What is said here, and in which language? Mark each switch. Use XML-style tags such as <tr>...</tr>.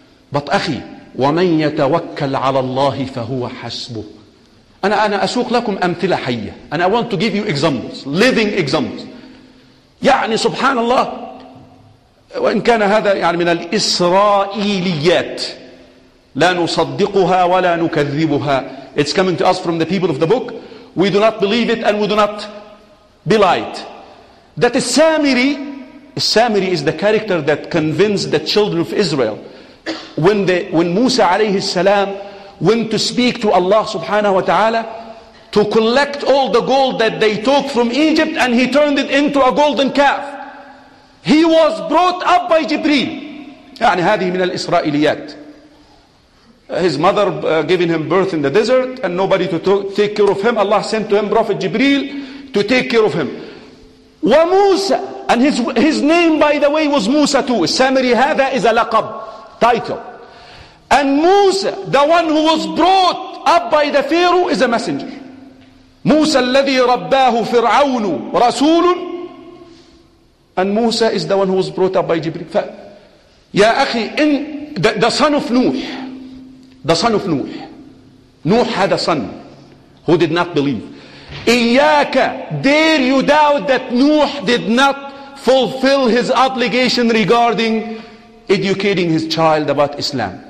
<ar>But أخي ومن يتوكل على الله فهو حسبه. أنا أسوق لكم أمثلة حية.</ar> <en>And I want to give you examples, living examples.</en> <ar>يعني سبحان الله وإن كان هذا يعني من الإسرائيليات لا نصدقها ولا نكذبها.</ar> <en>It's coming to us from the people of the book. We do not believe it and we do not belie it. That is Samiri. Samiri is the character that convinced the children of Israel when Musa alayhi salam went to speak to Allah subhanahu wa ta'ala to collect all the gold that they took from Egypt, and he turned it into a golden calf. He was brought up by Jibreel.</en> <ar>يعني هذه من الإسرائيليات.</ar> <en>His mother giving him birth in the desert and nobody to take care of him. Allah sent to him Prophet Jibreel to take care of him. وَمُوسَى. And his name, by the way, was Musa too. Samiri, هذا is a laqab, title. And Musa, the one who was brought up by the Pharaoh, is a messenger.</en> <ar>Musa الذي رباه فرعون رسول.</ar> <en>And Musa is the one who was brought up by Jibreel. يا أخي, the son of Nuh. The son of Nuh. Nuh had a son who did not believe. إياك, dare you doubt that Nuh did not fulfill his obligation regarding educating his child about Islam.</en>